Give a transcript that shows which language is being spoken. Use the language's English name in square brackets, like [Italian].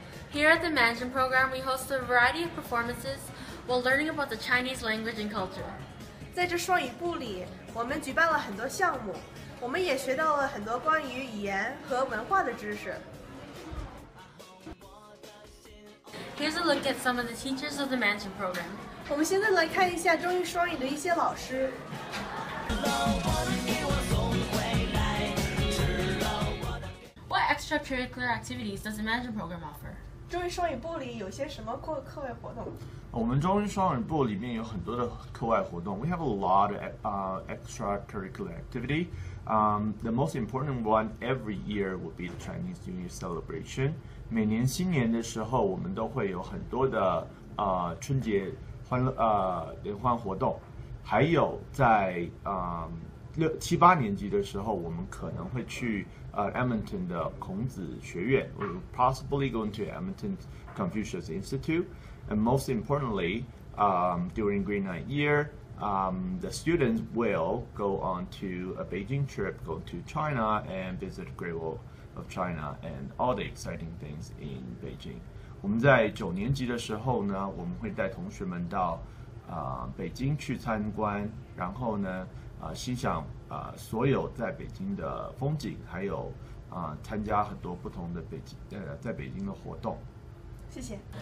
[English] Here at the Mandarin program, we host a variety of performances while learning about the Chinese language and culture. [Chinese] 在这双语部里，我们举办了很多项目，我们也学到了很多关于语言和文化的知识。 [English] Here's a look at some of the teachers of the Mandarin program. [Chinese] 我们现在来看一下中英双语的一些老师。 [English] What extracurricular activities does the Mandarin program offer? [Chinese] 中英双语部里有些什么课外活动？我们中英双语部里面有很多的课外活动。 [English] We have a lot of extracurricular activity. The most important one every year will be the Chinese New Year celebration. [Chinese] 每年新年的时候，我们都会有很多的春节欢乐联欢活动。还有在七八年级的时候，我们可能会去Edmonton 的孔子学院 [English] ，we're possibly going to Edmonton Confucius Institute, and most importantly, during Green Night Year, the students will go on to a Beijing trip, go to China and visit Great Wall of China and all the exciting things in Beijing. [Chinese] 我们在九年级的时候呢，我们会带同学们到北京去参观，然后呢。欣赏所有在北京的风景，还有参加很多不同的在北京的活动。谢谢。